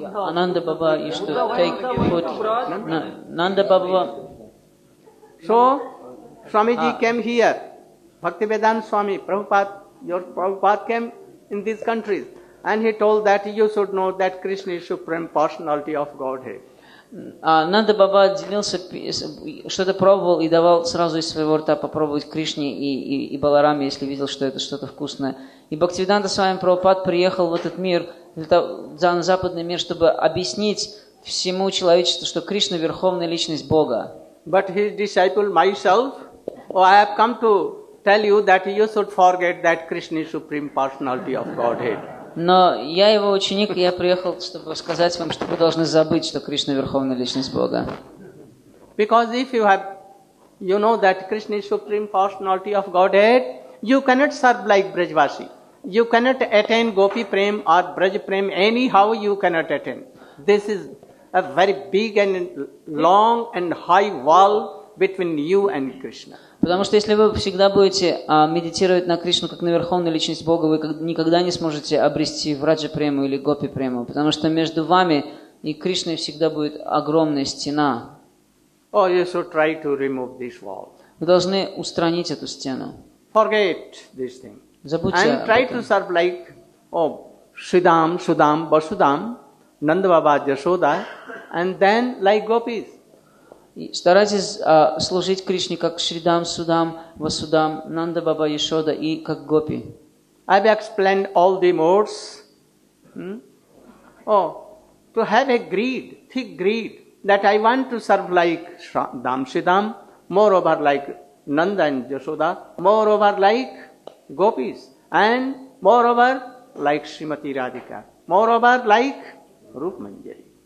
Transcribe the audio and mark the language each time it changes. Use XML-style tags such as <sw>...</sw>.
<en>Ananda Baba used to take food. Nanda Baba. So, Swamiji came here. Bhaktivedanta Swami, Prabhupada came in these countries. And he told that you should know that Krishna is supreme personality of Godhead.</en> <ru>Nanda Baba делился, что-то пробовал и давал сразу из своего рта попробовать Кришне и Баларами, если видел, что это что-то вкусное. И Бхактивиданта Свами Прабхупад приехал в этот мир, на западный мир, чтобы объяснить всему человечеству, что Кришна – верховная личность Бога.</ru> <en>But his disciple, myself, I have come to tell you that you should forget that Krishna is supreme personality of Godhead.</en> <ru>Но я его ученик, и я приехал, чтобы сказать вам, что вы должны забыть, что Кришна – верховная личность Бога.</ru> <en>Because if you have, you know that Krishna is supreme personality of Godhead, you cannot serve like Brajvasi. You cannot attain Gopi Prem or Braj Prem anyhow you cannot attain. This is a very big and long and high wall between you and Krishna.</en> <ru>Потому что если вы всегда будете медитировать на Кришну как на верховную личность Бога, вы никогда не сможете обрести Враджа Прему или Гопи Прему, потому что между вами и Кришной всегда будет огромная стена.</ru> <en>You should try to remove this wall.</en> <ru>Вы должны устранить эту стену.</ru> <en>Forget this thing.</en> <ru>Забудьте</ru> <en>and try to serve like Sridham, Sudham, Vasudham, Nanda Baba, Yashoda, and then like Gopis.</en> <ru>Старайтесь служить Кришне как Шридам, Судам, Васудам, Нанда Баба, Ешода и как Гопи.</ru> <en>I've explained all the modes. To have a greed, thick greed, that I want to serve like Dham Shridam, moreover like Nanda and Yashoda, moreover like Gopis, and moreover like Srimati Radhika, moreover like Rup Manjari.</en>